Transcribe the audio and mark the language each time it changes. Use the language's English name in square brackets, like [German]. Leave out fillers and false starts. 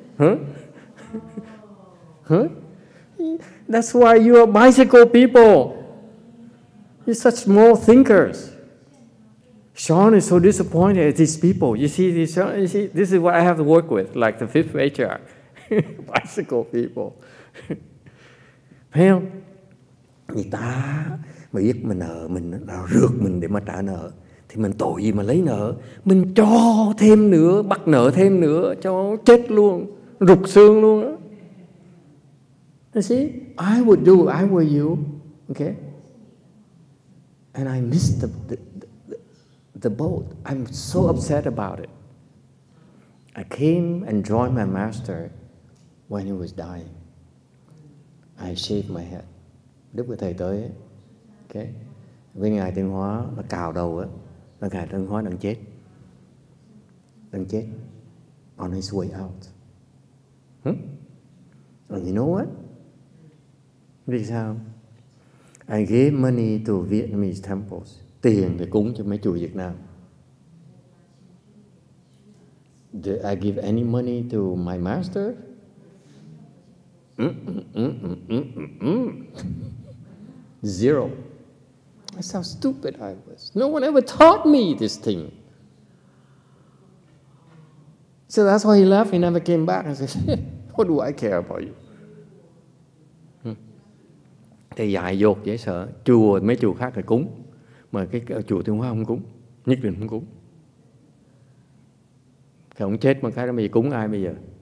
[English] Huh? That's why you are bicycle people. You're such small thinkers. Sean is so disappointed at these people. You see, this is what I have to work with, like the fifth matriarch, bicycle people. [Vietnamese] Thấy không? Người ta mà biết mình nợ, mình rước mình để mà trả nợ. Thì mình tội gì mà lấy nợ? Mình cho thêm nữa, bắt nợ thêm nữa, cho chết luôn, rụt xương luôn. [English] You see, I would do, I were you, okay? And I missed the boat. I'm so upset about it. I came and joined my master when he was dying. I shaved my head. [Vietnamese] Lúc cái thầy tới, okay, với ngài Tuyên Hóa nó cào đầu á, là ngài Tuyên Hóa đang chết, [English] on his way out. And you know what? [Vietnamese] Vì sao? [English] I gave money to Vietnamese temples. [Vietnamese] Tiền để cúng cho mấy chùa Việt Nam. [English] Did I give any money to my master? Zero. That's how stupid I was. No one ever taught me this thing. So that's why he left. He never came back and said, what do I care about you? [Vietnamese] Thì dại dột dễ sợ. Chùa, mấy chùa khác thì cúng, mà cái chùa Thiên Hóa không cúng, nhất định không cúng. Thì ông chết bằng cái đó, bây giờ cúng ai bây giờ?